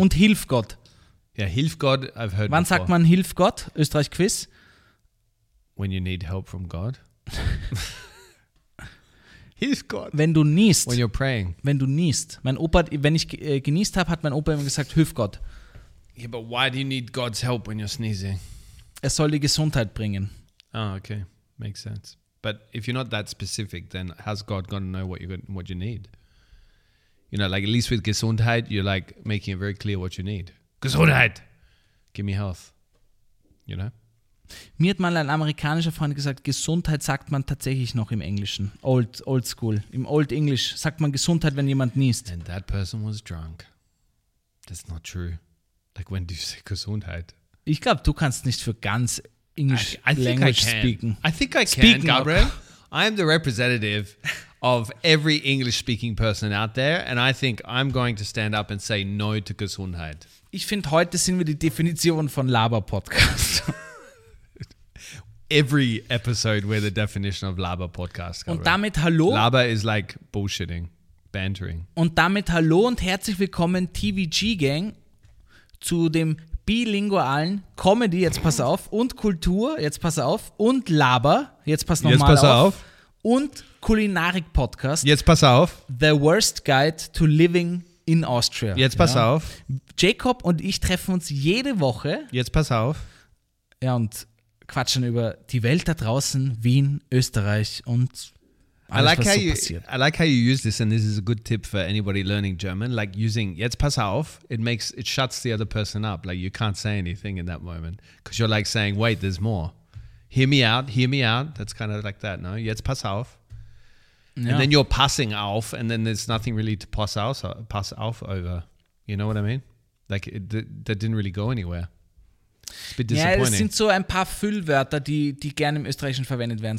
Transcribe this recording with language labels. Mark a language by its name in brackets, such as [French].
[German] Und hilf Gott. [English] Ja, yeah, hilf Gott, I've heard [German] Wann Sagt man hilf Gott? Österreich Quiz. [English] When you need help from God. [German] Hilf Gott. Wenn du niest. [English] When you're praying. [German] Wenn du niest. Mein Opa, wenn ich geniest habe, hat mein Opa immer gesagt, hilf Gott. [English] Yeah, but why do you need God's help when you're sneezing? [German] Er soll die Gesundheit bringen. [English] Oh, okay. Makes sense. But if you're not that specific, then how's God going to know what you need? You know, like at least with Gesundheit, you're like making it very clear what you need. Gesundheit! Give me health. You know? [German] Mir hat mal ein amerikanischer Freund gesagt, Gesundheit sagt man tatsächlich noch im Englischen. [English] Old school. [German] Im Old English sagt man Gesundheit, wenn jemand niest. [English] And that person was drunk. That's not true. Like, when do you say Gesundheit? [German] Ich glaube, du kannst nicht für ganz [English] English language [German] speaken. [English] I think I can, Gabriel. I am the representative of every English speaking person out there and I think I'm going to stand up and say no to Gesundheit. [German] Ich finde, heute sind wir die Definition von Laber-Podcast. [English] Every episode we're the definition of Laber Podcast. [German] Und damit hallo. [English] Laber is like bullshitting, bantering. [German] Und damit hallo und herzlich willkommen TVG Gang zu dem bilingualen Comedy, jetzt pass auf, und Kultur, jetzt pass auf, und Laber, jetzt pass nochmal auf. Jetzt pass auf. Und Kulinarik Podcast. Jetzt pass auf. [English] The Worst Guide to Living in Austria. [German] Jetzt pass auf. Jacob und ich treffen uns jede Woche. Jetzt pass auf. Ja, und quatschen über die Welt da draußen, Wien, Österreich und alles, passiert. [English] I like how you use this, and this is a good tip for anybody learning German, like using jetzt pass auf, it shuts the other person up, like you can't say anything in that moment, because you're like saying, wait, there's more. Hear me out, that's kind of like that, no? Jetzt pass auf. Yeah. And then you're passing auf, and then there's nothing really to pass auf over, you know what I mean? Like, that didn't really go anywhere. [German] Ja, es sind so ein paar Füllwörter, die gerne im Österreichischen verwendet werden.